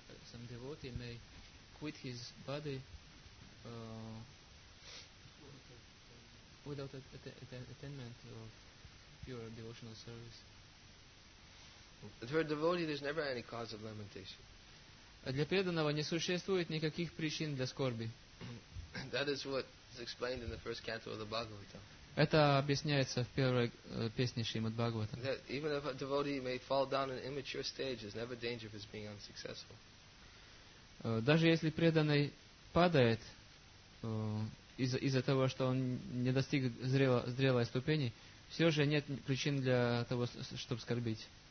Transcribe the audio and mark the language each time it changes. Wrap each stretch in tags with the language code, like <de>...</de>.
<en>Some devotee may quit his body without attainment of pure devotional service. For a devotee, there's never any cause of lamentation.</en> <ru>Для преданного не существует никаких причин для скорби.</ru> <en>That is what is explained in the first canto of the Bhagavatam.</en> <ru>Это объясняется в первой песне Шримад Бхагаватам.</ru> <en>That even if a devotee may fall down an immature stage, there's never danger of his being unsuccessful.</en> <ru>Даже если преданный падает из-за того, что он не достиг зрелой ступени, все же нет причин для того, чтобы скорбить.</ru>